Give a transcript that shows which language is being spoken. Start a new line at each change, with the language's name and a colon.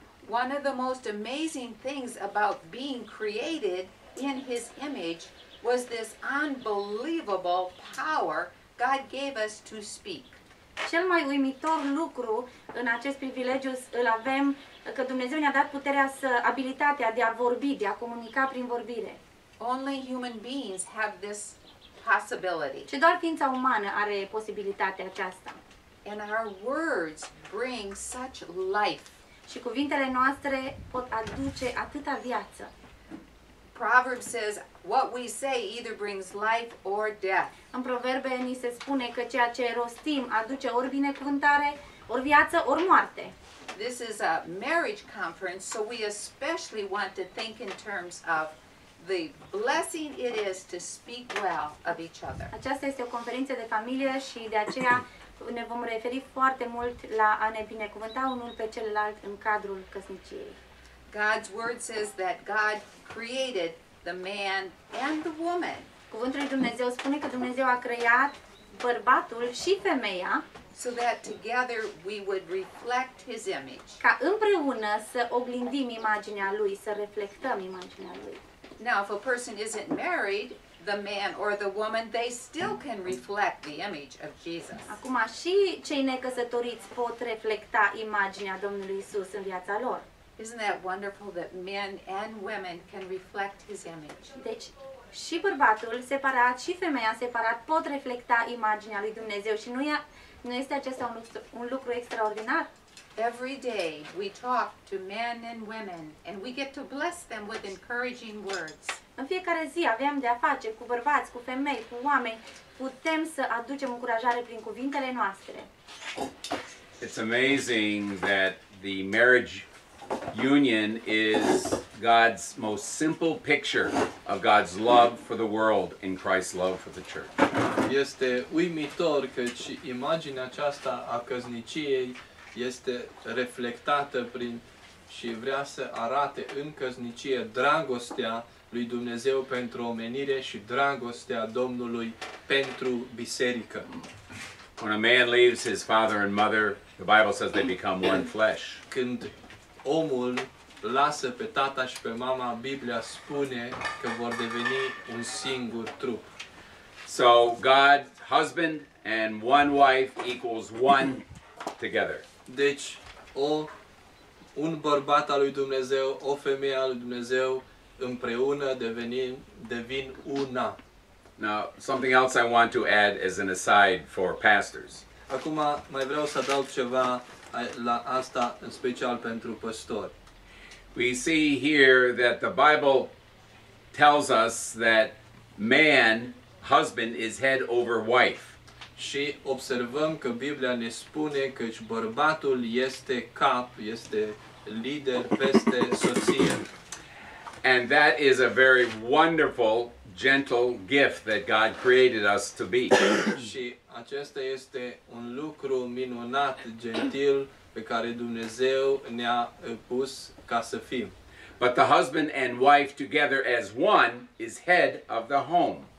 English: One of the most amazing things about being created in His image was this unbelievable power God gave us to speak.
Romanian: Cel mai uimitor lucru în acest privilegiu îl avem că Dumnezeu ne-a dat puterea să abilitatea de a vorbi, de a comunica prin vorbire.
English: Only human beings have this possibility.
Romanian: Și doar ființa umană are posibilitatea aceasta.
English: And our words bring such life.
Romanian: Și cuvintele noastre pot aduce atâta viață.
English: Proverbs says what we say either brings life or death.
Romanian: În proverbe ni se spune că ceea ce rostim aduce ori binecuvântare, ori viață, ori moarte.
English: This is a marriage conference, so we especially want to think in terms of the blessing it is to speak well of each other.
Romanian: Aceasta este o conferință de familie și de aceea ne vom referi foarte mult la a ne binecuvânta unul pe celălalt în cadrul căsniciei.
English: God's word says that God created the man and the woman.
Romanian: Cuvântul lui Dumnezeu spune că Dumnezeu a creat bărbatul și femeia,
English: so that together we would reflect His image.
Romanian: Ca împreună să oglindim imaginea lui, să reflectăm imaginea lui.
English: Now, if a person isn't married, the man or the woman, they still can reflect the image of Jesus.
Romanian: Acum și cei necăsătoriți pot reflecta imaginea Domnului Isus în viața lor.
English: Isn't that wonderful that men and women can reflect His image?
Romanian: Deci și bărbatul separat și femeia separat pot reflecta imaginea lui Dumnezeu și nu este acesta un lucru extraordinar?
English: Every day we talk to men and women and we get to bless them with encouraging words.
Romanian: În fiecare zi avem de a face cu bărbați, cu femei, cu oameni, putem să aducem încurajare prin cuvintele noastre.
English: It's amazing that the marriage union is God's most simple picture of God's love for the world and Christ's love for the church.
Romanian: Este uimitor că imaginea aceasta a căsniciei este reflectată prin și vrea să arate în căsnicie dragostea lui Dumnezeu pentru omenire și dragostea Domnului pentru biserică.
English: When a man leaves his father and mother, the Bible says they become one flesh.
Romanian: Când omul lasă pe tata și pe mama, Biblia spune că vor deveni un singur trup.
English: So God, husband and one wife equals one together.
Romanian: Deci un bărbat al lui Dumnezeu, o femeie al lui Dumnezeu împreună devin una.
English: Now, something else I want to add as an aside for pastors.
Romanian: Acum mai vreau să adaug ceva la asta în special pentru păstori.
English: We see here that the Bible tells us that man, husband, is head over wife.
Romanian: Și observăm că Biblia ne spune că bărbatul este cap, este lider peste soție.
English: And that is a very wonderful gentle gift that God created us to be.
Romanian: Și acesta este un lucru minunat, gentil, pe care Dumnezeu ne-a pus ca să fim.
English: But the husband and wife together as one is head of the home.